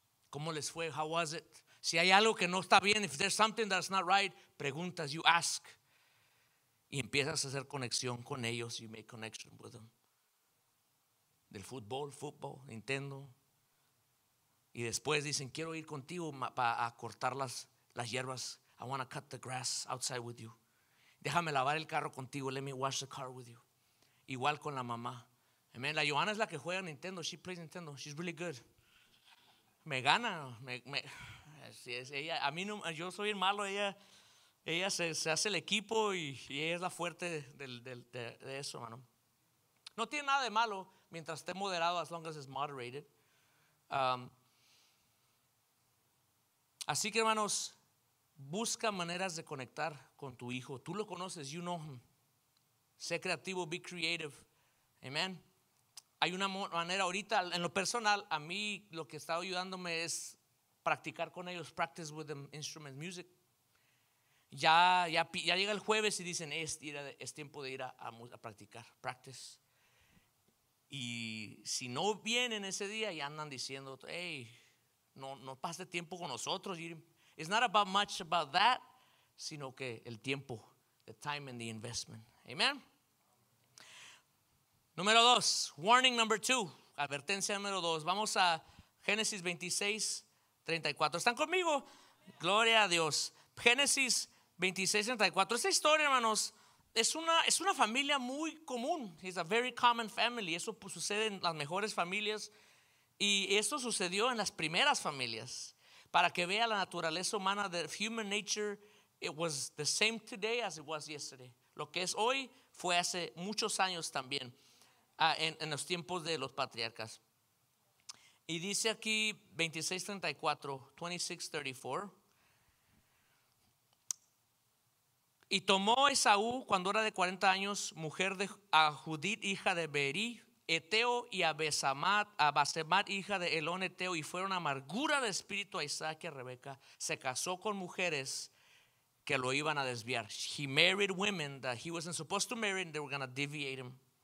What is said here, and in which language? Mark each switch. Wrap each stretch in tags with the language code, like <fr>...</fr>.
<es>¿Cómo les fue?</es> <en>How was it?</en> <es>Si hay algo que no está bien,</es> <en>if there's something that's not right,</en> <es>preguntas,</es> <en>you ask.</en> <es>Y empiezas a hacer conexión con ellos.</es> <en>You make connection with them.</en> <es>Del fútbol, Nintendo. Y después dicen, quiero ir contigo para cortar las hierbas.</es> <en>I want to cut the grass outside with you.</en> <es>Déjame lavar el carro contigo.</es> <en>Let me wash the car with you.</en> <es>Igual con la mamá. Amen. La Joana es la que juega Nintendo.</es> <en>She plays Nintendo. She's really good.</en> <es>Me gana. Así es. Ella, a mí no, yo soy el malo. Ella se hace el equipo y ella es la fuerte de eso, hermano. No tiene nada de malo mientras esté moderado,</es> <en>as long as it's moderated.</en> <es>Así que, hermanos, busca maneras de conectar con tu hijo. Tú lo conoces,</es> <en>you know him.</en> <es>Sé creativo,</es> <en>be creative.</en> <es>Amen. Hay una manera ahorita, en lo personal, a mí lo que está ayudándome es practicar con ellos,</es> <en>practice with them, instrument music.</en> <es>Ya llega el jueves y dicen, es tiempo de ir a practicar, practice. Y si no vienen ese día, ya andan diciendo, hey, no pase tiempo con nosotros.</es> <en>It's not about much about that,</en> <es>sino que el tiempo,</es> <en>the time and the investment.</en> <es>Amen. Número dos,</es> <en>warning number two,</en> <es>advertencia número dos. Vamos a Génesis 26:34. ¿Están conmigo? Gloria a Dios. Génesis 26:34. Esta historia, hermanos, es una familia muy común.</es> <en>It's a very common family.</en> <es>Eso pues, sucede en las mejores familias. Y eso sucedió en las primeras familias. Para que vea la naturaleza humana,</es> <en>the human nature, it was the same today as it was yesterday.</en> <es>Lo que es hoy fue hace muchos años también. En los tiempos de los patriarcas. Y dice aquí 26:34. Y tomó Esaú, cuando era de 40 años, mujer de a Judith, hija de Beerí, Eteo, y a Basemat, hija de Elón Eteo, y fueron amargura de espíritu a Isaac y a Rebeca. Se casó con mujeres que lo iban a desviar.</es> <en>He married women that he wasn't supposed to marry, and they were going to deviate him.</en>